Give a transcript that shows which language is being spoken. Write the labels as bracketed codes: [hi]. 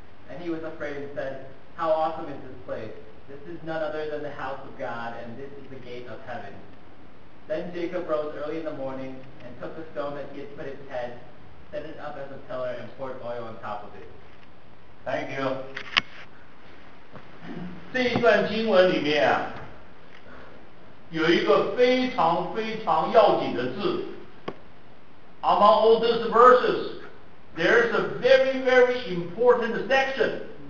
[en] And he was afraid and said, How awesome is this place? This is none other than the house of God, and this is the gate of heaven. Then Jacob rose early in the morning, and took the stone that he had put in his head, set it up as a pillar, and poured oil on top of it. Thank you. [zh] 这一段经文里面啊，有一个非常非常要紧的字。 [en] Among all these verses, there's a very, very important section.